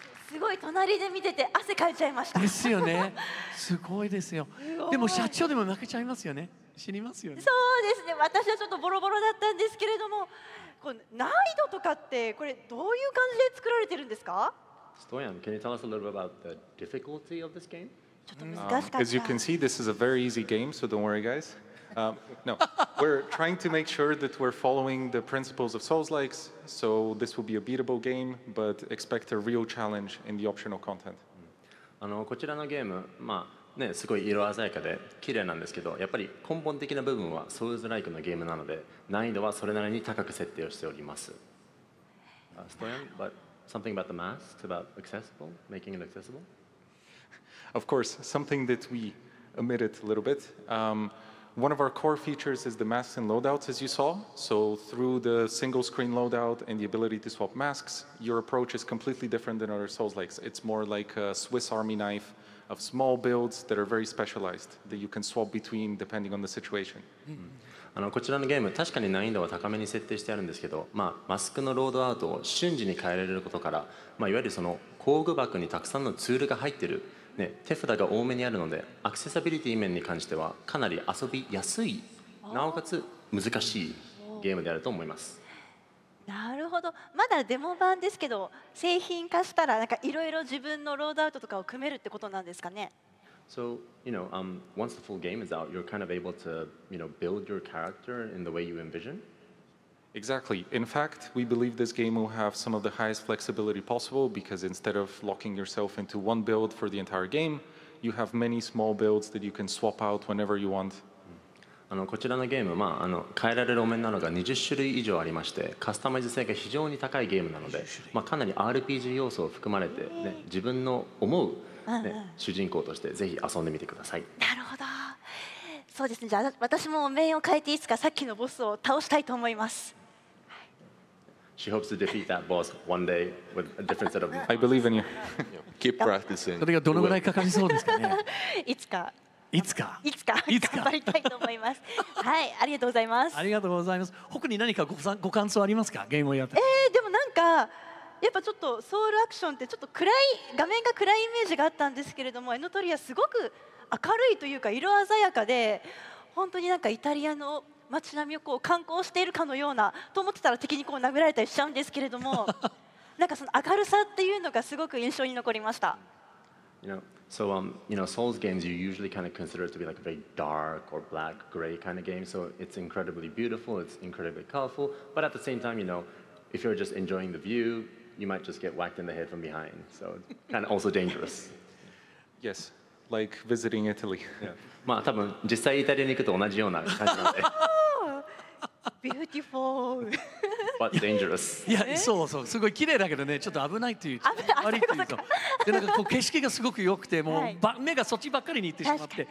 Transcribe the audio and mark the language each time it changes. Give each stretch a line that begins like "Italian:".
Japanese: すごい、隣で見てて汗かいちゃいました。ですよね。すごいですよ。でも社長でも負けちゃいますよね。死にますよね。そうですね。私はちょっとボロボロだったんですけれども。難易度とかってこれどういう感じで作られてるんですか？
English: Stoyan, can you tell us a little bit about the difficulty of this game?
Japanese: ちょっと難しかった。
English: As you can see, this is a very easy game, so don't worry, guys. No, we're trying to make sure that we're following the principles of Souls-likes, so this will be a beatable game, but expect a real challenge in the optional content.
Japanese: こちらのゲーム、まあね、すごい色鮮やかで綺麗なんですけど、やっぱり根本的な部分はソウルズライクのゲームなので、難易度はそれなりに高く設定をしております。
English: Stoyan, but something about the masks, about accessible, making it accessible? Of course, something that we omitted a little bit. One of our core features is the masks and loadouts, as you saw. So through the single screen loadout and the ability to swap masks, your approach is completely different than other Souls-likes. It's more like a Swiss Army knife. Of small builds that are very specialized that you can swap between depending on the situation.
Japanese: こちらのゲーム確かに難易度は高めに設定してあるんですけど、まあ、マスクのロードアウトを瞬時に変えられることから、まあ、いわゆるその工具箱にたくさんのツールが入っている、ね、手札が多めにあるのでアクセサビリティ面に関してはかなり遊びやすいなおかつ難しいゲームであると思います。なるほど。まだデモ版ですけど、製品化したらなんかいろいろ自分のロードアウトとかを組めるってことなんですかね。
English: So, you know, once the full game is out, you're kind of able to, you know, build your character in the way you envision? Exactly. In fact, we believe this game will have some of the highest flexibility possible because instead of locking yourself into one build for the entire game, you have many small builds that you can swap out whenever you want.
Japanese: こちらのゲーム、まあ、変えられるお面なのが20種類以上ありまして、カスタマイズ性が非常に高いゲームなので、まあ、かなり RPG 要素を含まれて、ね、自分の思う、ね、主人公としてぜひ遊んでみてください。なるほど。そうですね。じゃあ私もお面を変えていつかさっきのボスを倒したいと思います。
English: She hopes to defeat that boss one day with a different set of I believe in you. Keep practicing.
Japanese: それがどのぐらいかかりそうですかね。いつかいつかいつか頑張りたいと思います。はい、ありがとうございます。ありがとうございます。他に何か ご感想ありますか、ゲームをやって。でもなんかやっぱちょっとソウルアクションってちょっと暗い画面が暗いイメージがあったんですけれども、エノトリアすごく明るいというか色鮮やかで、本当になんかイタリアの街並みをこう観光しているかのようなと思ってたら敵にこう殴られたりしちゃうんですけれども、なんかその明るさっていうのがすごく印象に残りました。
English: いや、So, you know, Souls games you usually kind of consider it to be like a very dark or black, gray kind of game. So it's incredibly beautiful, it's incredibly colorful. But at the same time, you know, if you're just enjoying the view, you might just get whacked in the head from behind. So kind of also dangerous. Yes, like visiting Italy.
Japanese: まあ多分実際イタリアに行くと同じような感じなので。
English: Beautiful. But dangerous.
Japanese: Yeah, そうそう、すごい綺麗だけどね、ちょっと危ないっていう。危ないっていうか。でなんかこう景色がすごく良くて、もう、はい、目がそっちばっかりに行ってしまって、